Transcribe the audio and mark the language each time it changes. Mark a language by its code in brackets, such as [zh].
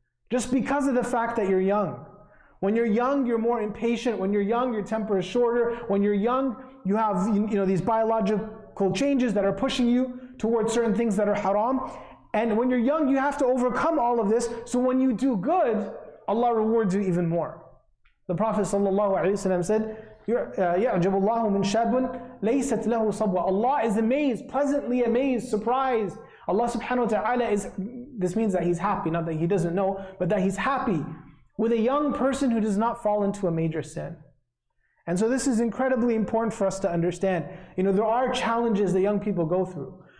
[en] Just because of the fact that you're young. When you're young, you're more impatient. When you're young, your temper is shorter. When you're young, you have, you know, these biological changes that are pushing you towards certain things that are haram. And when you're young, you have to overcome all of this. So when you do good, Allah rewards you even more. The Prophet ﷺ said, [ar] يَعْجَبُ اللَّهُ مِنْ شَابٌ لَيْسَتْ لَهُ صَبْوَ. [en] Allah is amazed, pleasantly amazed, surprised. Allah subhanahu wa ta'ala is, this means that he's happy, not that he doesn't know, but that he's happy with a young person who does not fall into a major sin. And so this is incredibly important for us to understand. You know, there are challenges that young people go through.